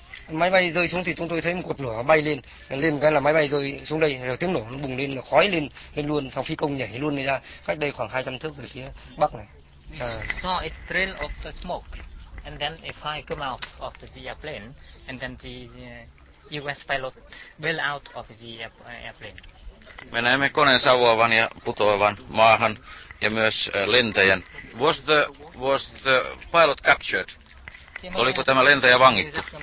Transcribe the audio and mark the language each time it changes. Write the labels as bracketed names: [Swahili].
[Vietnamese] Máy bay rơi xuống thì chúng tôi thấy một cột lửa bay lên, lên cái là máy bay rơi xuống đây, rồi tiếng nổ nó bùng lên, khói lên, lên luôn, thằng phi công nhảy luôn ra cách đây khoảng 200 thước về phía bắc này. [English] Saw a trail of the smoke. And then a fire came out of the airplane, and then the U.S. pilot fell out of the airplane. [Finnish] Me näemme koneen savuavan ja putoavan maahan, ja myös lentäjän. [English] Was the pilot captured? [Finnish] Oliko tämä lentäjä vangittu?